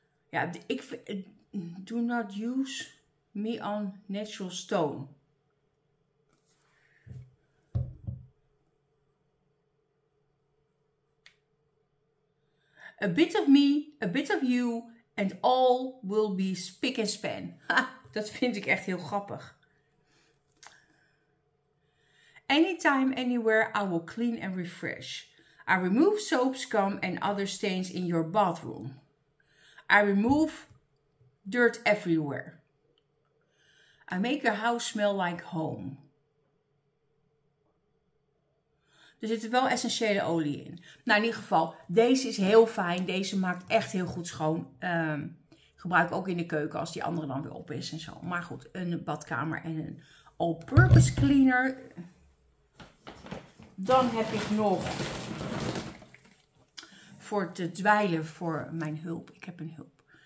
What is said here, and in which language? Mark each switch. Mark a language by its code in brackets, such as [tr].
[nl] Ja, ik [en] do not use me on natural stone. A bit of me, a bit of you, and all will be spick and span. [nl] Ha, dat vind ik echt heel grappig. [en] Anytime, anywhere, I will clean and refresh. I remove soap, scum, and other stains in your bathroom. I remove dirt everywhere. I make your house smell like home. [nl] Er zitten wel essentiële olie in. Nou, in ieder geval, deze is heel fijn. Deze maakt echt heel goed schoon. Gebruik ook in de keuken als die andere dan weer op is en zo. Maar goed, een badkamer en een all-purpose cleaner. Dan heb ik nog voor te dweilen voor mijn hulp. Ik heb een hulp.